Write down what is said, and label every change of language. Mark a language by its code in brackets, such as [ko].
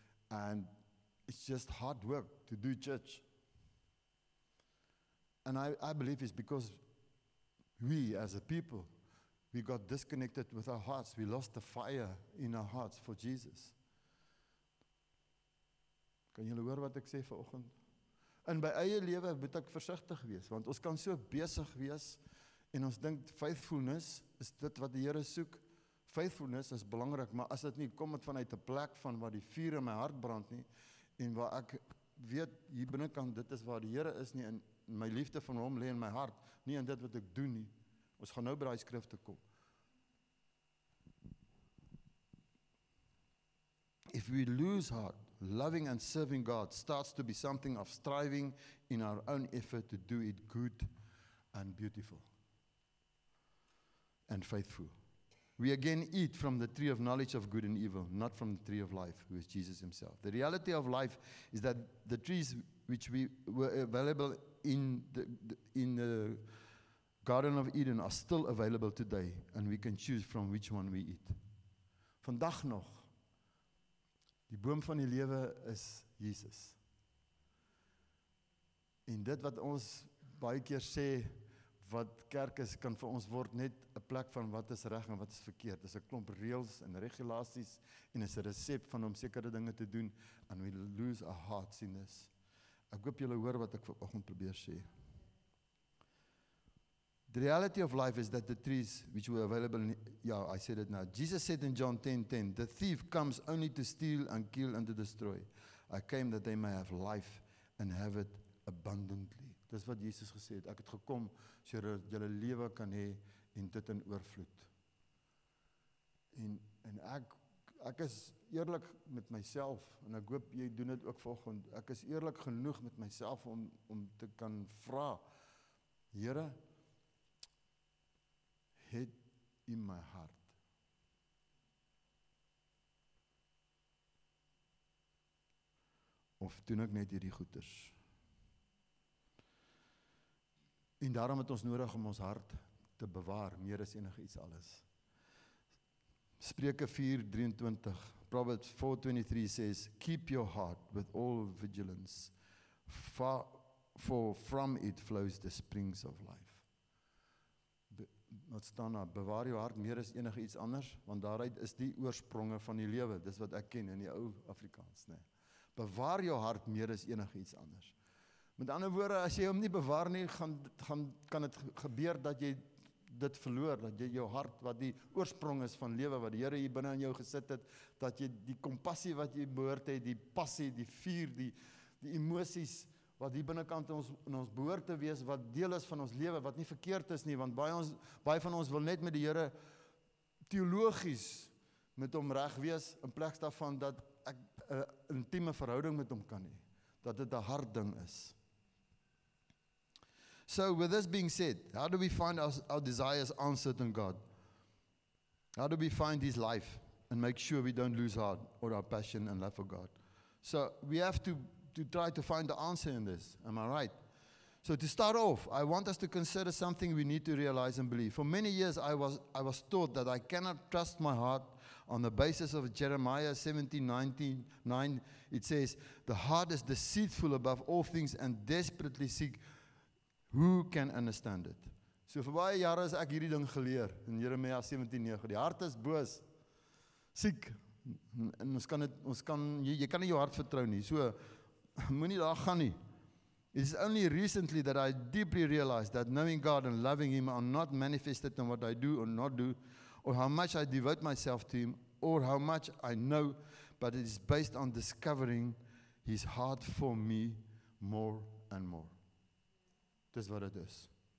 [en] And it's just hard work to do church. And I believe it's because we as a people, we got disconnected with our hearts. We lost the fire in our hearts for Jesus. [af] Kan julle hoor wat ek sê vanoggend? In my eie lewe moet ek versigtig wees, want ons kan so besig wees en ons dink faithfulness is dit wat die Here soek. Faithfulness is belangrik, maar as dit nie kom het vanuit 'n plek van waar die vuur in my hart brand nie en waar ek weet hier binnekant dit is waar die Here is nie en my liefde van hom lê in my hart, nie in dit wat ek doen nie. Ons gaan nou by daai skrifte kom. [en] If we lose heart, loving and serving God starts to be something of striving in our own effort to do it good and beautiful and faithful. We again eat from the tree of knowledge of good and evil, not from the tree of life, who is Jesus himself. The reality of life is that the trees which we were available in the Garden of Eden are still available today, and we can choose from which one we eat. [af] Vandag nog, die boom van die lewe is Jesus. En dit wat ons baie keer sê, wat kerk is, kan vir ons word net 'n plek van wat is reg en wat is verkeerd. Dis 'n klomp reëls en regulasies en is 'n resept van om sekere dinge te doen. [en] And we lose our hearts in this. [af] Ek hoop julle hoor wat ek vanoggend probeer sê. [en] The reality of life is that the trees which were available, I said it now. Jesus said in John 10:10, the thief comes only to steal and kill and to destroy. I came that they may have life and have it abundantly. [af] Dis wat Jesus gesê het. Ek het gekom sodat julle lewe kan hê en dit in oorvloed. En ek is eerlik met myself en ek hoop jy doen dit ook volgende. Ek is eerlik genoeg met myself om te kan vra, Here, het in my hart. Of doen ek net hierdie goeders? En daarom het ons nodig om ons hart te bewaar, meer as enige iets alles. [en] Spreuke 4:23, Proverbs 4:23 says, keep your heart with all vigilance, for from it flows the springs of life. [af] Wat staan daar, bewaar jou hart meer as enige iets anders, want daaruit is die oorspronge van die lewe, dis wat ek ken in die ou Afrikaans, nee. Bewaar jou hart meer as enige iets anders. Met ander woorde, as jy hom nie bewaar nie, kan het gebeur dat jy dit verloor, dat jy jou hart, wat die oorsprong is van lewe, wat die Here hier binnen in jou gesit het, dat jy die compassie wat jy behoort het, die passie, die vuur, die emoties, wat die binnenkant in ons behoort te wees, wat deel is van ons lewe, wat nie verkeerd is nie, want baie van ons wil net met die Here teologies met hom reg wees, in plek daarvan dat ek 'n intieme verhouding met hom kan hê, dat dit 'n hard ding is. [en] So, with this being said, how do we find our desires answered in God? How do we find his life and make sure we don't lose heart or our passion and love for God? So, we have to try to find the answer in this. Am I right? So to start off, I want us to consider something we need to realize and believe. For many years, I was taught that I cannot trust my heart on the basis of Jeremiah 17:9. It says, the heart is deceitful above all things and desperately seek who can understand it. [af] So for baie jare is ek hierdie ding geleer in Jeremiah 17:9. Die hart is boos, siek. En jy kan nie jou hart vertrou nie. So, moenie daar gaan nie. [en] It's only recently that I deeply realized that knowing God and loving him are not manifested in what I do or not do, or how much I devote myself to him, or how much I know, but it is based on discovering his heart for me more and more. [af] Dis wat dit is.